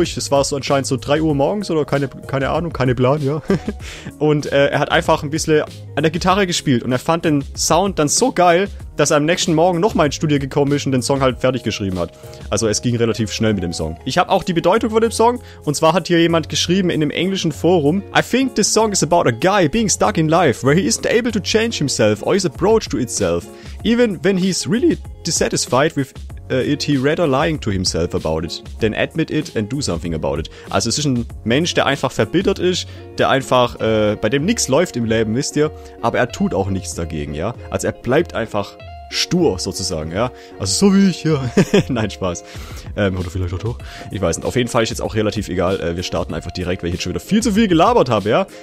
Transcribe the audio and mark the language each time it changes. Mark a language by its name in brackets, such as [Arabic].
[German] Es war so anscheinend so 3 Uhr morgens oder keine Ahnung, keine Plan, ja. Und er hat einfach ein bisschen an der Gitarre gespielt und er fand den Sound dann so geil, dass er am nächsten Morgen nochmal ins Studio gekommen ist und den Song halt fertig geschrieben hat. Also es ging relativ schnell mit dem Song. Ich habe auch die Bedeutung von dem Song. Und zwar hat hier jemand geschrieben in dem englischen Forum: [English] I think this song is about a guy being stuck in life, where he isn't able to change himself or his approach to itself. Even when he's really dissatisfied with it, he rather lying to himself about it than admit it and do something about it. [German] Also es ist ein Mensch, der einfach verbittert ist, der einfach, bei dem nichts läuft im Leben, wisst ihr, aber er tut auch nichts dagegen, ja? Also er bleibt einfach stur, sozusagen, ja? Also so wie ich, ja. Nein, Spaß. Oder vielleicht auch doch. Ich weiß nicht. Auf jeden Fall ist jetzt auch relativ egal. Wir starten einfach direkt, weil ich jetzt schon wieder viel zu viel gelabert habe, ja?